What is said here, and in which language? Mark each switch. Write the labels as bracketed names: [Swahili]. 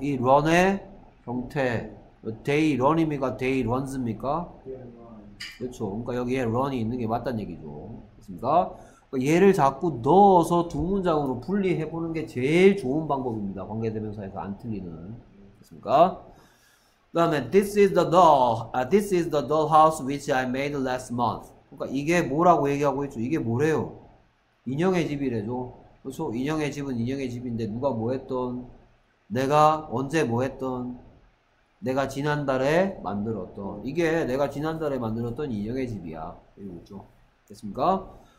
[Korean] 이 run의 형태. day run입니까? day runs입니까? 그렇죠. 그러니까 여기에 run이 있는 게 맞다는 얘기죠. 그렇습니까? 얘를 자꾸 넣어서 두 문장으로 분리해보는 게 제일 좋은 방법입니다. 관계대명사에서 안 틀리는. 그렇습니까? 그 다음에 [English] this is the dollhouse which I made last month. [Korean] 그러니까 이게 뭐라고 얘기하고 있죠? 이게 뭐래요? 인형의 집이래죠. 그렇죠? 인형의 집은 인형의 집인데 누가 뭐 했던? 내가 언제 뭐 했던? 내가 지난달에 만들었던. 이게 내가 지난달에 만들었던 인형의 집이야. 이거죠. 됐습니까?